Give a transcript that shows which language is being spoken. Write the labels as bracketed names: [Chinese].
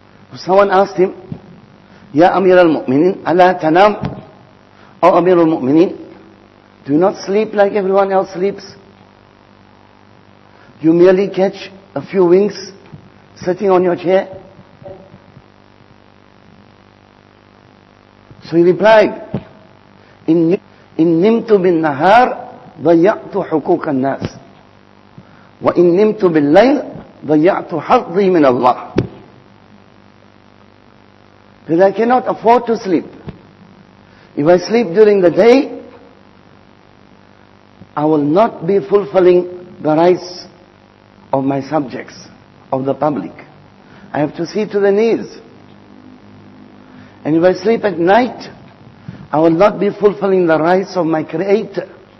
[English] So someone asked him, [Arabic] Ya Amir al-Mu'mineen, ala tanam, [English] O Amir al-Mu'mineen, do you not sleep like everyone else sleeps? You merely catch a few winks sitting on your chair? So he replied, [Arabic] In nimtu bin nahar, ضيعتُ حقوق الناس وإن نمت بالليل ضيعتُ حظي من الله. [English] But I cannot afford to sleep. If I sleep during the day, I will not be fulfilling the rights of my subjects, of the public. I have to see to the needs. And if I sleep at night, I will not be fulfilling the rights of my Creator.